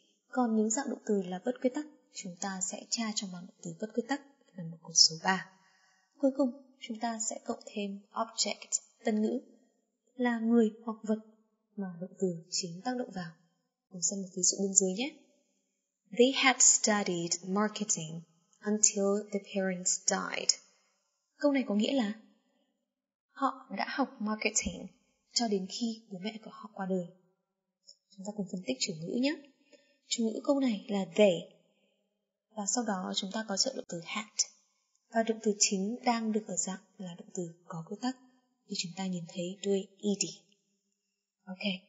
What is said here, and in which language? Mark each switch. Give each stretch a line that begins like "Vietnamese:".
Vietnamese: Còn những dạng động từ là bất quy tắc, chúng ta sẽ tra trong bảng động từ bất quy tắc là một cột số 3. Cuối cùng, chúng ta sẽ cộng thêm object, tân ngữ, là người hoặc vật mà động từ chính tác động vào. Cùng xem một ví dụ bên dưới nhé.
English: They had studied marketing until their parents died.
Vietnamese: Câu này có nghĩa là họ đã học marketing cho đến khi bố mẹ của họ qua đời. Chúng ta cùng phân tích chủ ngữ nhé. Chủ ngữ câu này là they. Và sau đó chúng ta có trợ động từ had. Và động từ chính đang được ở dạng là động từ có quy tắc, như chúng ta nhìn thấy đuôi ed. Ok.